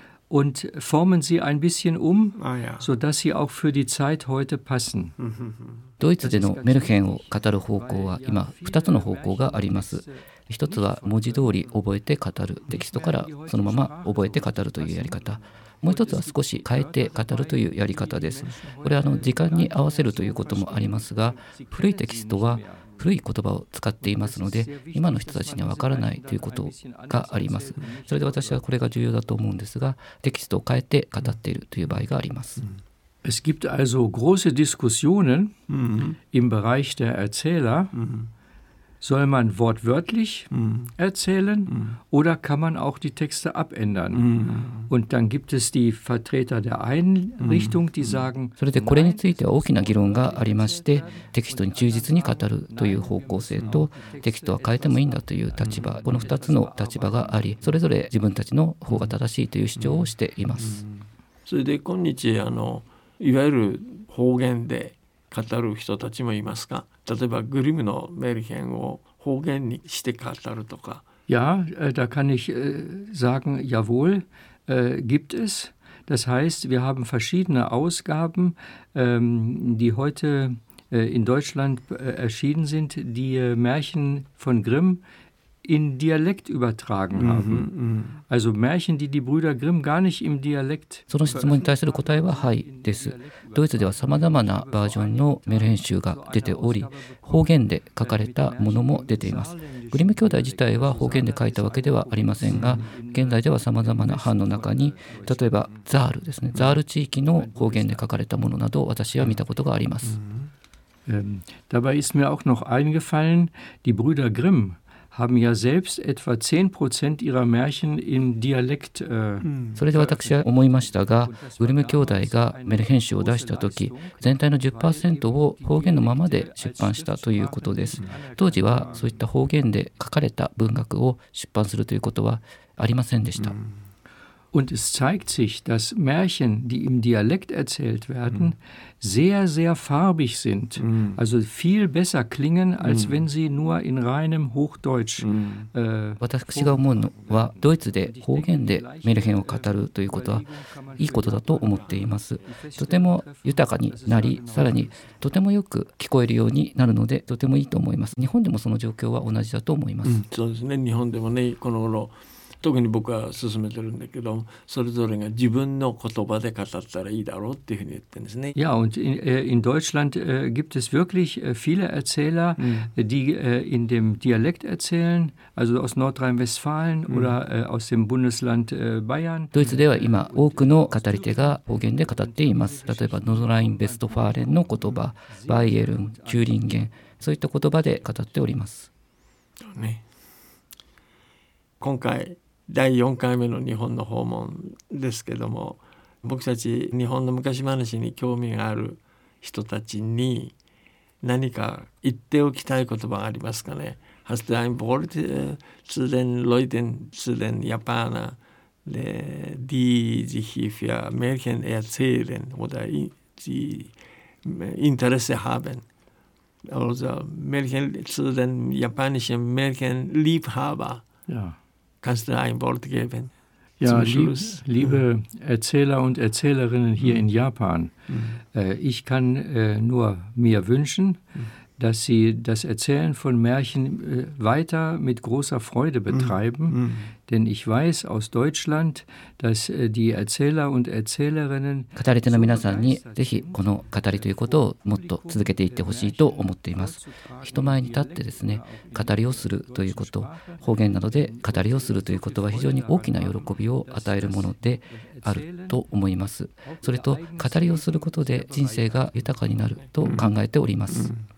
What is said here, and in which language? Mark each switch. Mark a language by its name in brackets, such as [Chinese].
[German] Und formen sie ein bisschen sodass sie auch für die Zeit heute passen. [Japanese] ドイツでのメルヘンを語る方向は今2つの方向があります。 1つは文字通り覚えて語る、テキストからそのまま覚えて語るというやり方。もう一つは少し変えて語るというやり方です。これは時間に合わせるということもありますが、古いテキストは古い言葉を使っていますので、今の人たちには分からないということがあります。それで私はこれが重要だと思うんですが、テキストを変えて語っているという場合があります。 [German] Es gibt also große Diskussionen im Bereich der Erzähler. Soll man wortwörtlich erzählen oder kann man auch die Texte abändern? Und dann gibt es die Vertreter der einen Richtung, die sagen, [Japanese] それでこれについては大きな議論がありまして、テキストに忠実に語るという方向性と、テキストは変えてもいいんだという立場、この2つの立場があり、それぞれ自分たちの方が正しいという主張をしています。それで今日、いわゆる方言で語る人たちもいますか？例えばグリムのメルヘンを方言にして語るとか。 [German] Ja, da kann ich sagen, jawohl, gibt es. Das heißt, wir haben verschiedene Ausgaben, die heute in Deutschland erschienen sind, die Märchen von Grimm in Dialekt übertragen haben. Also Märchen, die die Brüder Grimm gar nicht im Dialekt. [Japanese] その質問に対する答えははいです。ドイツでは様々なバージョンのメルヘン集が出ており、方言で書かれたものも出ています。グリム兄弟自体は方言で書いたわけではありませんが、現在では様々な版の中に、例えばザールですね、ザール地域の方言で書かれたものなど私は見たことがあります。 [German] Dabei ist mir auch noch eingefallen, die Brüder Grimm. Haben ja selbst etwa 10% ihrer Märchen im Dialekt. [Japanese] それで私は思いましたが、グリム兄弟がメルヘン集を出したとき、全体の 10% を方言のままで出版したということです。当時はそういった方言で書かれた文学を出版するということはありませんでした。 [German] Und es zeigt sich, dass Märchen, die im Dialekt erzählt werden, sehr, sehr farbig sind. Also viel besser klingen, als wenn sie nur in reinem Hochdeutsch. [Japanese] 私が思うのは、ドイツで方言でメルヘンを語るということはいいことだと思っています。とても豊かになり、さらにとてもよく聞こえるようになるので、とてもいいと思います。日本でもその状況は同じだと思います。そうですね。日本でもね、この頃、特に僕は進めてるんだけど、それぞれが自分の言葉で語ったらいいだろうっていうふうに言ってるんですね。 [German] Ja, und in Deutschland gibt es wirklich viele Erzähler, die in dem Dialekt erzählen, also aus Nordrhein-Westfalen oder aus dem Bundesland Bayern. [Japanese] ドイツでは今多くの語り手が方言で語っています。例えば、ノルラインベストファーレンの言葉、バイエルン、チューリンゲン、そういった言葉で語っております。ね。今回第4回目の日本の訪問ですけども、僕たち日本の昔話に興味がある人たちに何か言っておきたい言葉がありますかね。 [German] hast du ein Wort zu den Leuten, zu den Japanern, die sich für Märchen erzählen oder die Interesse haben? Also Märchen, zu den japanischen Märchenliebhaber. Ja. Kannst du ein Wort geben? Ja, liebe Erzähler und Erzählerinnen hier in Japan, ich kann nur mir wünschen, dass Sie das Erzählen von Märchen weiter mit großer Freude betreiben. Mhm. Denn ich weiß aus Deutschland, dass die Erzähler und Erzählerinnen [Japanese] 語り手の皆さんにぜひこの語りということをもっと続けていってほしいと思っています。人前に立ってですね、語りをするということ、方言などで語りをするということは非常に大きな喜びを与えるものであると思います。それと語りをすることで人生が豊かになると考えております。